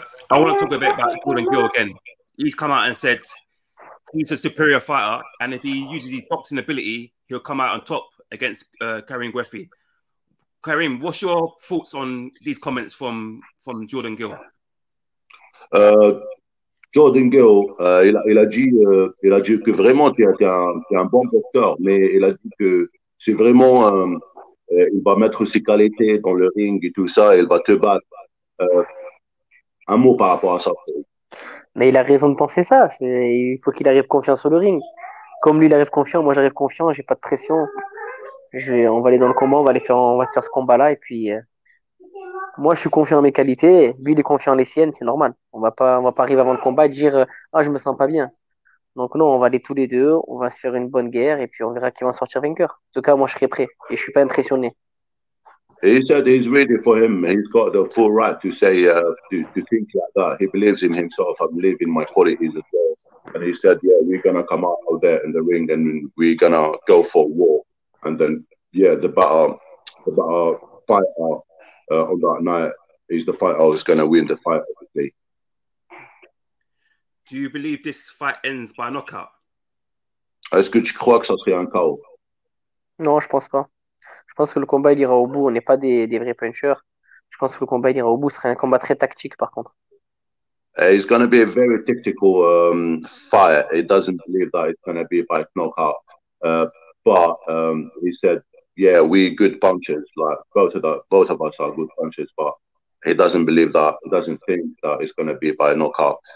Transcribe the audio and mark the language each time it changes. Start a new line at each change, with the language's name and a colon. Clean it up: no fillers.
English: I want to talk a bit about Jordan Gill again. He's come out and said he's a superior fighter, and if he uses his boxing ability, he'll come out on top against Karim Gueffi. Karim, what's your thoughts on these comments from Jordan Gill?
French: Jordan Gill, il a dit que vraiment t'es un bon boxeur, mais il a dit que c'est vraiment il va mettre ses qualités dans le ring et tout ça, et il va te battre. Un mot par rapport à ça. Mais il a raison de penser ça. Il faut qu'il arrive confiant sur le ring. Comme lui, il arrive confiant, moi j'arrive confiant, j'ai pas de pression. On va aller dans le combat, on va se faire ce combat-là. Et puis, moi je suis confiant en mes qualités, lui il est confiant en les siennes, c'est normal. On va pas arriver avant le combat et dire je me sens pas bien. Donc non, on va aller tous les deux, on va se faire une bonne guerre et puis on verra qui va sortir vainqueur. En tout cas, moi, je serai prêt et je suis pas impressionné.
English: He said he's ready for him. He's got the full right to say, to think like that. He believes in himself. I believe in my qualities as well. And he said, yeah, we're going to come out of there in the ring and we're going to go for a war. And then, yeah, the better fighter on that night is the fighter who's going to win the fight, obviously. Do you believe this fight ends by knockout?
French: Est-ce que tu crois que ça serait un KO? Non, je pense pas. Je pense que le combat il ira au bout, on n'est pas des vrais punchers. Je pense que le combat il ira au bout, ce serait un combat très tactique par contre.
English: It's going to be a very tactical fight. He doesn't believe that it's going to be by knockout. He said, yeah, we're good punchers, like both of us are good punchers, but he doesn't believe that, he doesn't think that it's going to be by knockout.